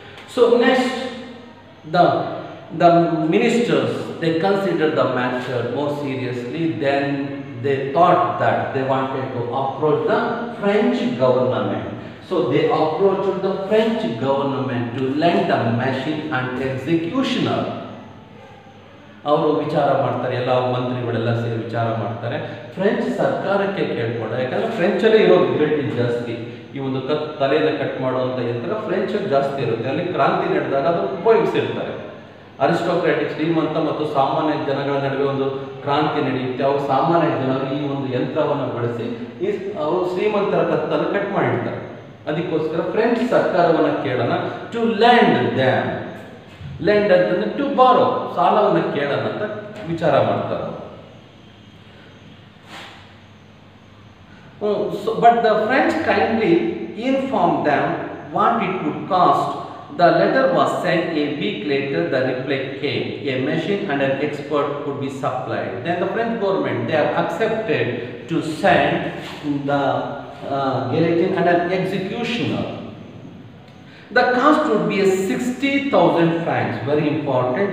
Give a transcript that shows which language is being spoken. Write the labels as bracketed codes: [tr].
[en] So next, the ministers, they considered the matter more seriously than they thought that they wanted to approach the French government. So they approached the French government to lend the machine and executioner. [kn] ಅವರು ವಿಚಾರ ಮಾಡ್ತಾರೆ, ಎಲ್ಲ ಮಂತ್ರಿಗಳೆಲ್ಲ ಸೇರಿ ವಿಚಾರ ಮಾಡ್ತಾರೆ. French ಸರ್ಕಾರಕ್ಕೆ ಕೇಳ್ಕೊಂಡ, ಯಾಕಂದ್ರೆ ಫ್ರೆಂಚಲ್ಲೇ ಇರೋ ಗಿಲೆಟಿ ಜಾಸ್ತಿ. ಈ ಒಂದು ತಲೆಯನ್ನು ಕಟ್ ಮಾಡುವಂಥ ಯಂತ್ರ ಫ್ರೆಂಚ್ ಜಾಸ್ತಿ ಇರುತ್ತೆ. ಅಲ್ಲಿ ಕ್ರಾಂತಿ ನಡೆದಾಗ ಅದು ಉಪಯೋಗಿಸಿರ್ತಾರೆ. ಅರಿಸ್ಟೋಕ್ರಾಟಿಕ್ ಶ್ರೀಮಂತ ಮತ್ತು ಸಾಮಾನ್ಯ ಜನಗಳ ನಡುವೆ ಒಂದು ಕ್ರಾಂತಿ ನಡೆಯುತ್ತೆ. ಅವು ಸಾಮಾನ್ಯ ಜನರು ಈ ಒಂದು ಯಂತ್ರವನ್ನು ಬಳಸಿ ಈ ಅವರು ಶ್ರೀಮಂತರ ಕತ್ತನ್ನು ಕಟ್ ಮಾಡಿರ್ತಾರೆ. ಅದಕ್ಕೋಸ್ಕರ ಫ್ರೆಂಚ್ ಸರ್ಕಾರವನ್ನು ಕೇಳೋಣ. [en] to land dam, [kn] ಲ್ಯಾಂಡ್ ಅಂತಂದ್ರೆ ಟು ಬಾರೋ, ಸಾಲವನ್ನು ಕೇಳೋಣ ಅಂತ ವಿಚಾರ ಮಾಡ್ತಾರೆ. [en] So but the French kindly inform dam what it would cost. The letter was send a week later the reply came, a machine and an expert could be supplied. Then the French government they are accepted to send the guillotine and an executioner. The cost would be 60,000 francs. Very important.